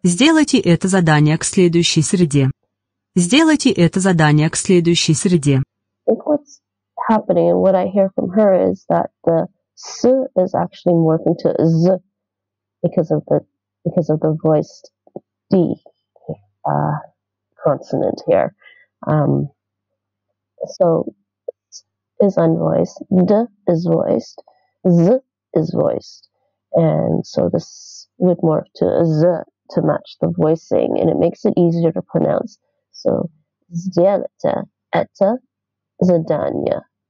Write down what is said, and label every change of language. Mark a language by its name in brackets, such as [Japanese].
[Russian] Сделайте это задание к следующей среде. Сделайте это задание к следующей среде. [English] Happening, and what I hear from her is that the s is actually morphing to z because of the voiced d consonant here. So s is unvoiced, d is voiced, z is voiced, and so this would morph to z to match the voicing, and it makes it easier to pronounce. [Russian] So сделайте это задание.